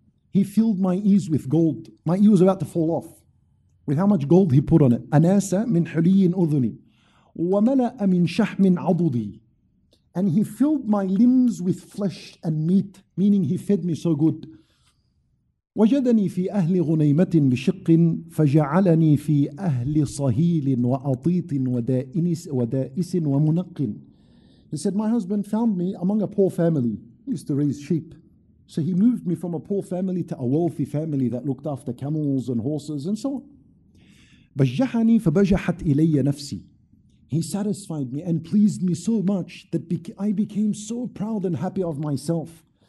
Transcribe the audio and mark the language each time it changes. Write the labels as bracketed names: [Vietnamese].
[English] He filled my ears with gold. My ear was about to fall off with how much gold he put on it. [Arabic] Anasa min huliyin udhuni. Wa mala'a min shahmin adudi. [English] And he filled my limbs with flesh and meat, meaning he fed me so good. [Arabic] وجدني في أهل غنيمة بشق فجعلني في أهل صهيل وأطيط ودائس ومنق. [English] He said, my husband found me among a poor family. He used to raise sheep. So he moved me from a poor family to a wealthy family that looked after camels and horses and so on. [Arabic] بجحني فبجحت إلي نفسي. [English] He satisfied me and pleased me so much that I became so proud and happy of myself.